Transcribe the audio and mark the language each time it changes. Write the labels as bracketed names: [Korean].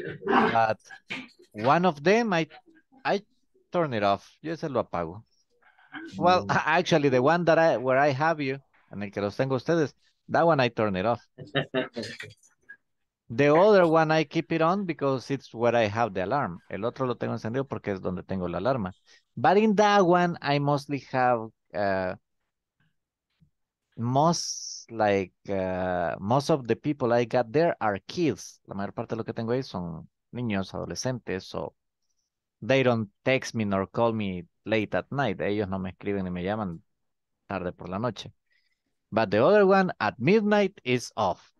[English] But one of them, I turn it off. [Spanish] Yo se lo apago. [English] Well, actually, the one that where I have you, [Spanish] en el que los tengo ustedes, [English] that one I turn it off. The other one I keep it on because it's where I have the alarm. [Spanish] El otro lo tengo encendido porque es donde tengo la alarma. [English] But in that one, I mostly have most of the people I got there are kids. [Spanish] La mayor parte de lo que tengo ahí son niños, adolescentes, [English] so they don't text me nor call me late at night. [Spanish] Ellos no me escriben ni me llaman tarde por la noche. [English] But the other one, at midnight, is off.